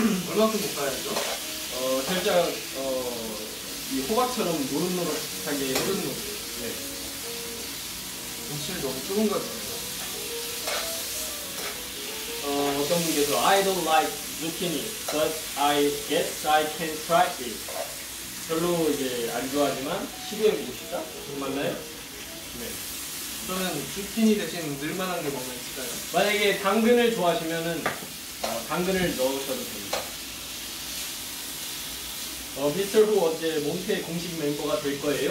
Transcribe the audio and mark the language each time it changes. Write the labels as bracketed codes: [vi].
[ko] 얼만큼 볶아야죠? 살짝 이 호박처럼 노릇노릇하게 해주는 건데 네. 김치를 너무 뜨거운 것 같아요. 어떤 분께서 [en] I don't like zucchini, but I guess I can try it. [ko] 별로 이제 안 좋아하지만 시도해보고 싶다? 정말요? 네. 그러면 zucchini 대신 늘만한 게 뭐가 있을까요? 만약에 당근을 좋아하시면은 당근을 넣으셔도 됩니다. 미스터 후 어제 몽테 공식 멤버가 될 거예요?